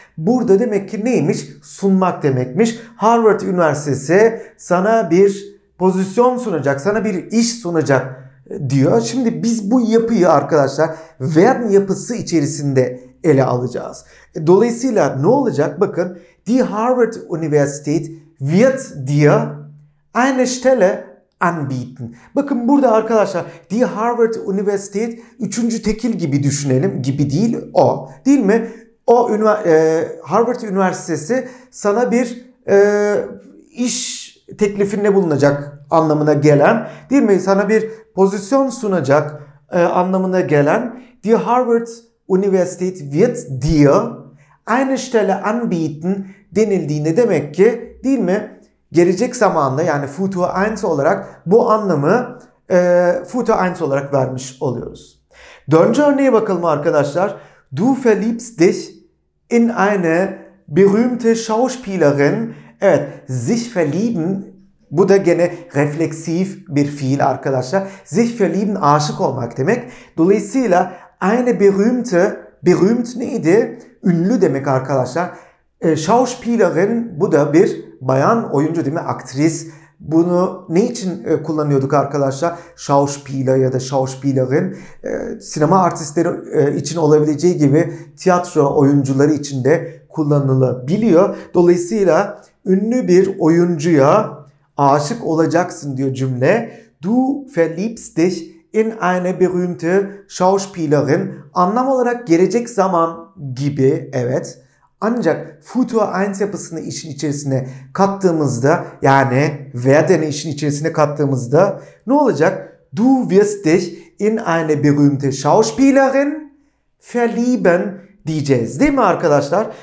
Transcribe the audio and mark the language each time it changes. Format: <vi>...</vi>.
<tr>Burada demek ki neymiş? Sunmak demekmiş. Harvard Üniversitesi sana bir pozisyon sunacak, sana bir iş sunacak diyor. Şimdi biz bu yapıyı arkadaşlar werden yapısı içerisinde ele alacağız. Dolayısıyla ne olacak? Bakın,</tr> <de>die Harvard Universität wird dir eine Stelle anbieten.</de> <tr>Bakın burada arkadaşlar die Harvard Universität üçüncü tekil gibi düşünelim. Gibi değil, o. Değil mi? O Harvard Üniversitesi sana bir iş teklifinde bulunacak anlamına gelen, değil mi? Sana bir pozisyon sunacak anlamına gelen</tr> <de>die Harvard Universität wird dir eine Stelle anbieten</de> <tr>denildiğinde demek ki, değil mi, gelecek zamanda, yani Futur 1 olarak bu anlamı Futur 1 olarak vermiş oluyoruz. Dördüncü örneğe bakalım arkadaşlar.</tr> <de>Du verliebst dich in eine berühmte Schauspielerin.</de> <tr>Evet, sich verlieben, bu da gene refleksif bir fiil arkadaşlar. Sich verlieben, aşık olmak demek. Dolayısıyla</tr> <de>eine berühmte,</de> <tr>berühmt neydi? Ünlü demek arkadaşlar. Schauspielerin, bu da bir bayan oyuncu, değil mi? Aktris. Bunu ne için kullanıyorduk arkadaşlar? Schauspieler ya da Schauspielerin, sinema artistleri için olabileceği gibi tiyatro oyuncuları için de kullanılabiliyor. Dolayısıyla ünlü bir oyuncuya aşık olacaksın diyor cümle.</tr> <de>Du verliebst dich in eine berühmte Schauspielerin.</de> <tr>Anlam olarak gelecek zaman gibi, evet. Ancak Futur 1 yapısını işin içerisine kattığımızda, yani werden'i işin içerisine kattığımızda ne olacak?</tr> <de>Du wirst dich in eine berühmte Schauspielerin verlieben</de> <tr>diyeceğiz, değil mi arkadaşlar?</tr>